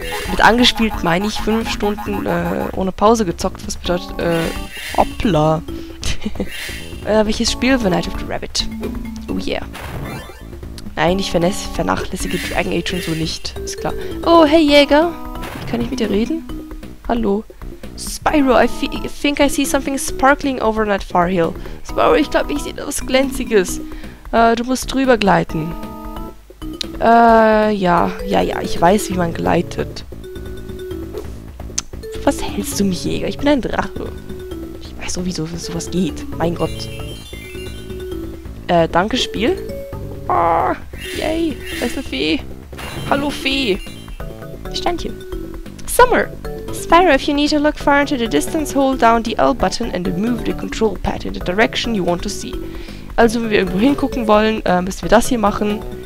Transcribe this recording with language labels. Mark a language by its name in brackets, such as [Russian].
[German] Mit angespielt meine ich 5 Stunden ohne Pause gezockt, was bedeutet, hoppla. welches Spiel? The Night of the Rabbit. [English] Oh yeah. [German] Nein, ich vernachlässige Dragon Age und so nicht, ist klar. Oh, hey Jäger, kann ich mit dir reden? Hallo. [English] Spyro, I think I see something sparkling over on that far hill. [German] Spyro, ich glaube, ich sehe etwas Glänziges. Du musst drüber gleiten. Ja, ich weiß, wie man gleitet. Was hältst du mich, Jäger? Ich bin ein Drache. Ich weiß sowieso, wie sowas geht. Mein Gott. Danke, Spiel. Oh, yay, da ist eine Fee. Hallo, Fee. Steinchen. Summer. [English] Spyro, if you need to look far into the distance, hold down the L button and move the control pad in the direction you want to see. [German] Also, wenn wir irgendwo hingucken wollen, müssen wir das hier machen.